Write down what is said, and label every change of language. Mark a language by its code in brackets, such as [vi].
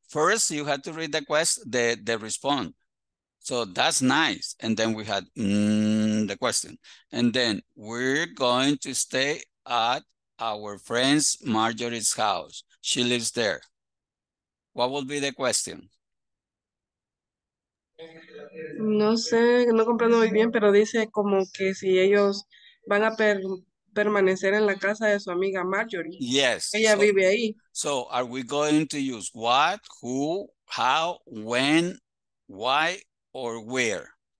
[en] First, you have to read the question, the response. So that's nice. And then we had the question. And then we're going to stay at our friend's Marjorie's house. She lives there. What would be the question? [es] No sé, no comprendo muy bien, pero dice como que si ellos van a permanecer en la casa de su amiga Marjorie. [en] Yes. [es] Ella so, vive ahí. [en] So, are we going to use what, who, how, when, why, or where?